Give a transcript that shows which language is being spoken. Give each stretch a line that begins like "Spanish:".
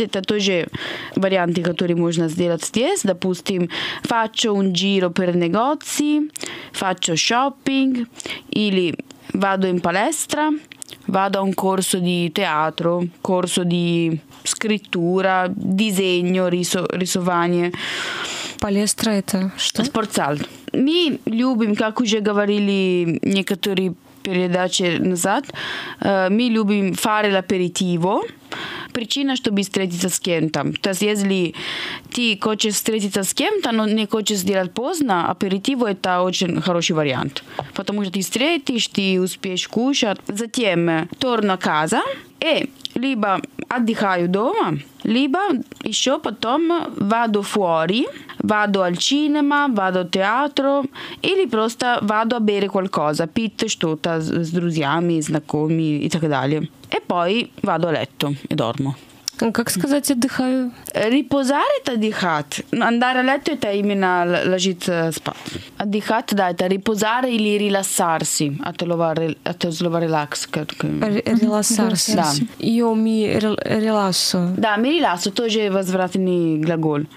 Russian: Это тоже варианты, которые можно сделать здесь. Допустим,
Italian: faccio un giro per negozi, faccio shopping,
Russian: или
Italian: vado in palestra, vado a un corso di teatro, corso di scrittura, disegno,
Russian: рисование. Palestra это что? Спортзал. мы любим, как уже говорили некоторые передачи назад, мы любим
Italian: fare l'aperitivo.
Russian: Причина, чтобы встретиться с кем-то. То есть, если ты хочешь встретиться с кем-то, но не хочешь делать поздно, аперитиво – это очень хороший вариант. Потому что ты встретишь, ты успеешь кушать. Затем
Italian: торно casa
Russian: и либо отдыхаю дома, либо еще потом
Italian: вado fuori, vado al cinema, vado al teatro,
Russian: или просто
Italian: vado a bere qualcosa,
Russian: пить что-то с друзьями, знакомыми и так далее.
Italian: E poi vado a letto e dormo.
Russian: Как сказать отдыхаю?
Italian: Riposare
Russian: это отдыхать.
Italian: Andare a letto
Russian: это именно ложиться спать. Отдыхать, да, это
Italian: riposare
Russian: или
Italian: rilassarsi.
Russian: От слова relax.
Italian: Rilassarsi.
Russian: Да.
Italian: Io mi rilasso.
Russian: Да,
Italian: mi rilasso
Russian: тоже возвратный глагол.